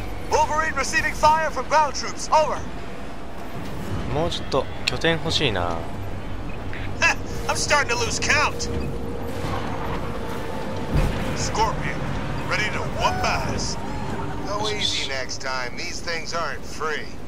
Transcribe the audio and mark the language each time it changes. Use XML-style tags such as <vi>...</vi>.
<en>Wolverine receiving fire from ground troops. Over.</en> <ja>もうちょっと拠点欲しいな。</ja> <en>I'm starting to lose count. Scorpion, ready to whoop ass. Go easy next time. These things aren't free.</en>